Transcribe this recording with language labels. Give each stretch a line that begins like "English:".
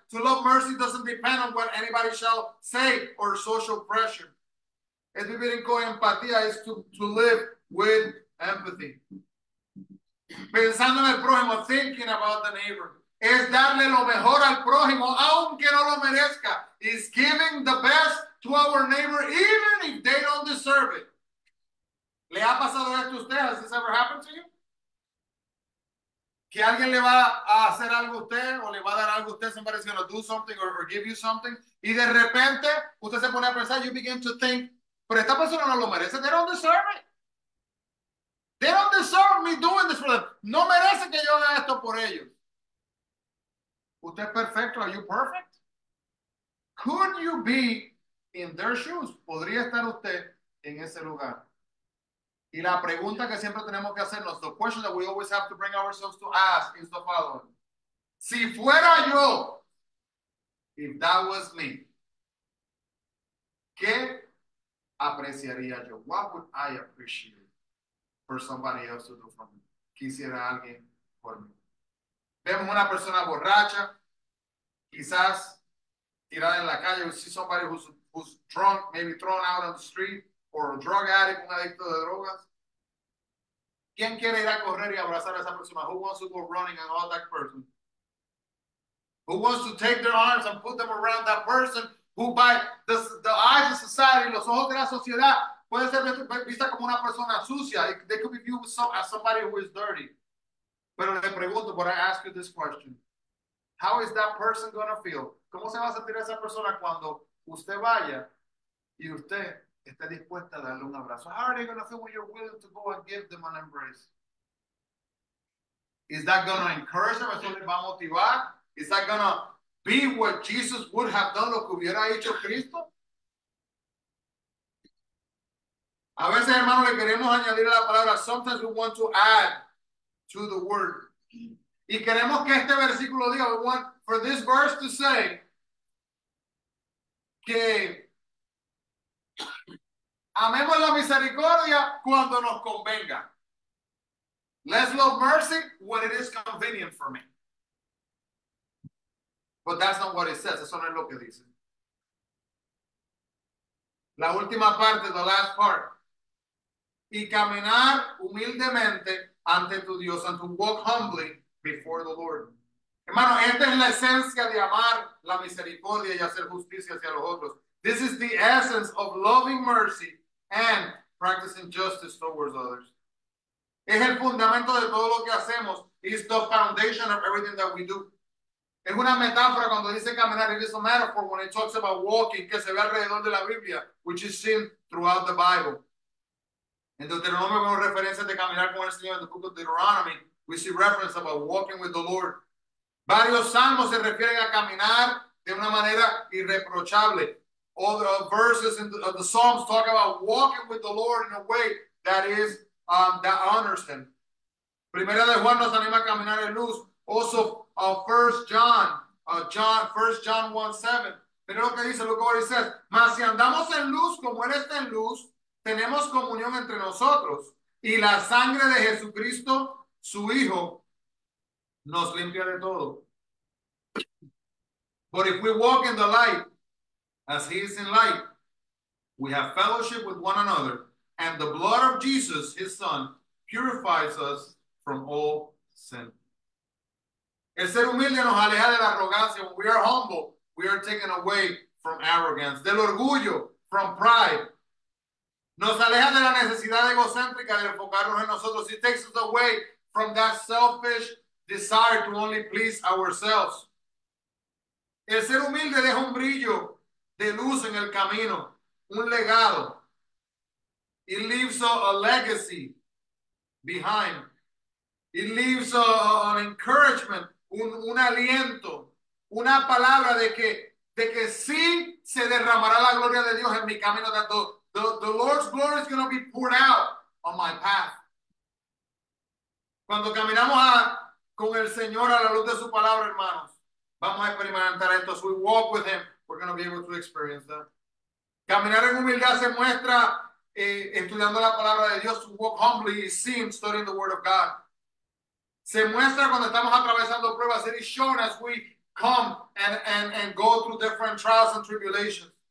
English: To love mercy doesn't depend on what anybody shall say or social pressure.
Spanish: Es vivir con empatía, es
English: to live with empathy.
Spanish: Pensando en el prójimo,
English: thinking about the neighbor.
Spanish: Es darle lo mejor al prójimo, aunque no lo merezca.
English: Is giving the best to our neighbor, even if they don't deserve it.
Spanish: ¿Le ha pasado esto a usted?
English: Has this ever happened to you?
Spanish: Que alguien le va a hacer algo a usted o le va a dar algo a usted,
English: somebody is going to do something or give you something.
Spanish: Y de repente, usted se pone a pensar,
English: you begin to think,
Spanish: pero esta persona no lo merece.
English: They don't deserve it. They don't deserve me doing this for them.
Spanish: No merece que yo haga esto por ellos. ¿Usted es perfecto?
English: Are you perfect? Could you be in their shoes?
Spanish: ¿Podría estar usted en ese lugar? Y la pregunta que siempre tenemos que hacernos,
English: the question that we always have to bring ourselves to ask is the following.
Spanish: Si fuera yo,
English: if that was me,
Spanish: ¿qué apreciaría yo?
English: What would I appreciate for somebody else to do for me?
Spanish: Quisiera alguien por mí. Vemos una persona borracha, quizás tirada en la calle.
English: We see somebody who's drunk, maybe thrown out on the street, or a drug addict,
Spanish: un adicto de drogas. ¿Quién quiere ir a correr y abrazar a esa persona?
English: Who wants to go running and hold that person? Who wants to take their arms and put them around that person who by the eyes of society,
Spanish: los ojos de la sociedad, puede ser vista como una persona sucia.
English: They could be viewed as somebody who is dirty.
Spanish: Pero le pregunto,
English: but I ask you this question. How is that person going to feel?
Spanish: ¿Cómo se va a sentir esa persona cuando usted vaya y usted está dispuesta a darle un abrazo?
English: How are they going to feel when you're willing to go and give them an embrace? Is that going to encourage them?
Spanish: ¿Eso les va a motivar?
English: Is that going to be what Jesus would have done,
Spanish: lo que hubiera hecho Cristo? A veces, hermano, le queremos añadir a la palabra.
English: Sometimes we want to add to the word.
Spanish: Y queremos que este versículo diga,
English: we want for this verse to say
Spanish: que amemos la misericordia cuando nos convenga.
English: Let's love mercy when it is convenient for me. But that's not what it says.
Spanish: Eso no es lo que dice. La última parte,
English: the last part.
Spanish: Y caminar humildemente ante tu Dios,
English: and to walk humbly before the Lord.
Spanish: Hermano, esta es la esencia de amar la misericordia y hacer justicia hacia los otros.
English: This is the essence of loving mercy and practicing justice towards others.
Spanish: Es el fundamento de todo lo que hacemos.
English: It's the foundation of everything that we do.
Spanish: Es una metáfora cuando dice caminar.
English: It is a metaphor when it talks about walking,
Spanish: que se ve alrededor de la Biblia,
English: which is seen throughout the Bible.
Spanish: En Deuteronomy vemos referencias de caminar con el Señor.
English: In the book of Deuteronomy, we see reference about walking with the Lord.
Spanish: Varios salmos se refieren a caminar de una manera irreprochable.
English: All the verses in the Psalms talk about walking with the Lord in a way that is that honors him.
Spanish: Primera de Juan nos anima a caminar en luz.
English: Also, First John 1:7.
Spanish: Pero lo que dice,
English: look what it says.
Spanish: Mas si andamos en luz como él está en luz, tenemos comunión entre nosotros y la sangre de Jesucristo, su Hijo, nos limpia de todo.
English: But if we walk in the light, as he is in light, we have fellowship with one another, and the blood of Jesus, his son, purifies us from all sin.
Spanish: El ser humilde nos aleja de la arrogancia.
English: When we are humble, we are taken away from arrogance.
Spanish: Del orgullo,
English: from pride.
Spanish: Nos aleja de la necesidad egocéntrica de enfocarnos en nosotros.
English: It takes us away from that selfish desire to only please ourselves.
Spanish: El ser humilde deja un brillo de luz en el camino, un legado.
English: It leaves a legacy behind. It leaves an encouragement,
Spanish: un aliento, una palabra de que sí se derramará la gloria de Dios en mi camino.
English: That the Lord's glory is going to be poured out on my path.
Spanish: Cuando caminamos con el Señor a la luz de su palabra, hermanos, vamos a experimentar esto.
English: So we walk with him, we're going to be able to experience that.
Spanish: Caminar en humildad se muestra estudiando la palabra de Dios.
English: To walk humbly is seen studying the word of God.
Spanish: Se muestra cuando estamos atravesando pruebas.
English: It is shown as we come and go through different trials and tribulations.